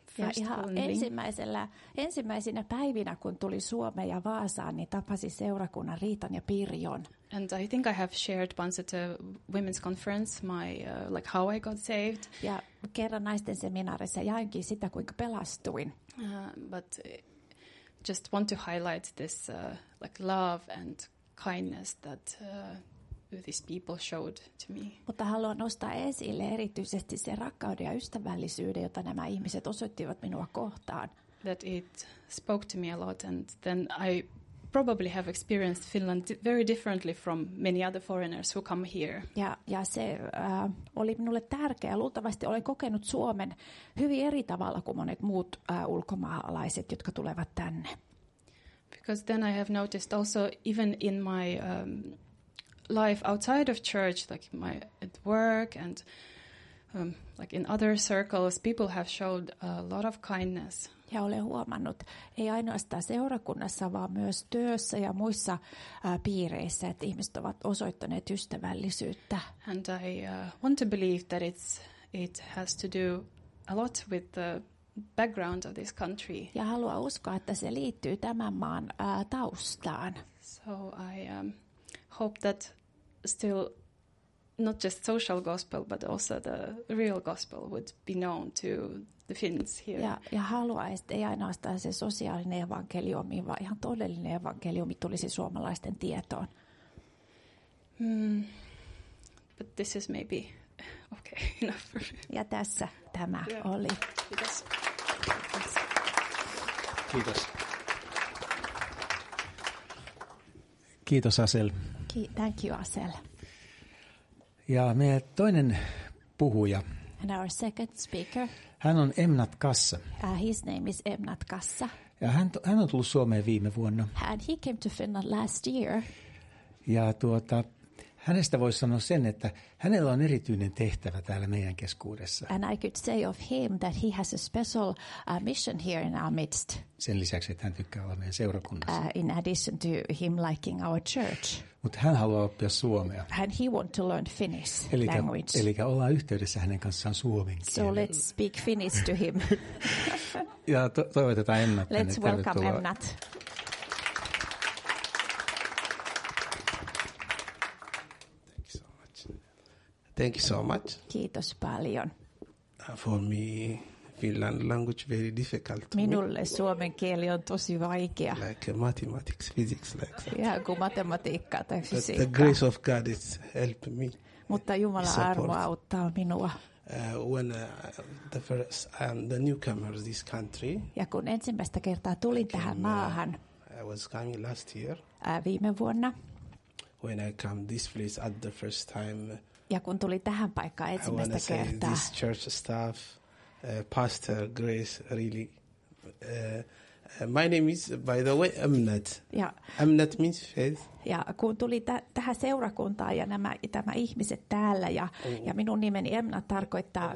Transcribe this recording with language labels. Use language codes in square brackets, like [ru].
[fi] Ja ihan ensimmäisinä päivinä, kun tuli Suomeen ja Vaasaan, niin tapasin seurakunnan Riitan ja Pirjon. [en] And I think I have shared once at a women's conference my like how I got saved. [fi] Ja kerran naisten seminaarissa jaankin sitä, kuinka pelastuin. [en] But just want to highlight this like love and kindness that these people showed to me. [fi] Mutta haluan nostaa esille erityisesti sen rakkauden ja ystävällisyyden, jota nämä ihmiset osoittivat minua kohtaan. [en] That it spoke to me a lot, and then I probably have experienced Finland very differently from many other foreigners who come here. [fi] Ja se oli minulle tärkeä. Luultavasti olen kokenut Suomen hyvin eri tavalla kuin monet muut ulkomaalaiset, jotka tulevat tänne. [en] Because then I have noticed also even in my life outside of church, like my at work and like in other circles, people have showed a lot of kindness. [fi] Ja olen huomannut, ei ainoastaan seurakunnassa, vaan myös työssä ja muissa piireissä, että ihmiset ovat osoittaneet ystävällisyyttä. [en] And I want to believe that it has to do a lot with the background of this country. [fi] Ja haluan uskoa, että se liittyy tämän maan taustaan. [en] So I hope that still not just social gospel, but also the real gospel would be known to the Finns here. [fi] Ja haluaisin, että ei ainoastaan se sosiaalinen evankeliumi, vaan ihan todellinen evankeliumi tulisi suomalaisten tietoon. [en] But this is maybe okay enough for you. [fi] Ja tässä tämä oli. Kiitos. Kiitos, Asel. [en] Thank you, Asel. [fi] Ja meidän toinen puhuja. [en] And our second speaker. [fi] Hän on Emnat Kassa. [en] His name is Emnat Kassa. [fi] Ja hän on tullut Suomeen viime vuonna. [en] And he came to Finland last year. [fi] Ja hänestä voi sanoa sen, että hänellä on erityinen tehtävä täällä meidän keskuudessa. [en] And I could say of him that he has a special mission here in our midst. [fi] Sen lisäksi, että hän tykkää olla meidän seurakunnassa. [en] In addition to him liking our church. [fi] Mutta hän haluaa oppia suomea. [en] And he want to learn Finnish language. [fi] Eli ollaan yhteydessä hänen kanssaan suomen kielellä. [en] So let's speak Finnish to him. [fi] Ja toivotetaan Emnat tänne. [en] Let's welcome Emnat. Thank you so much. [fi] Kiitos paljon. [en] For me, Finland language very difficult. [fi] Minulle suomen kieli on tosi vaikea. [en] Like mathematics, physics, like that. [fi] Ihan kuin matematiikka tai fysiikka. [en] But the grace of God has helped me. [fi] Mutta Jumalan armo auttaa minua. [en] When the first and the newcomer of this country. [fi] Ja kun ensimmäistä kertaa tulin tähän maahan. [en] I was coming last year. [fi] Viime vuonna. [en] When I come this place at the first time. [fi] Ja kun tuli tähän paikkaan ensimmäistä kertaa. [en] This church staff, Pastor Grace, really My name is, by the way, Amnet. [fi] Ja, [en] Amnet means faith. [fi] Ja kun tuli tähän seurakuntaan ja nämä ihmiset täällä ja minun nimeni Amnet tarkoittaa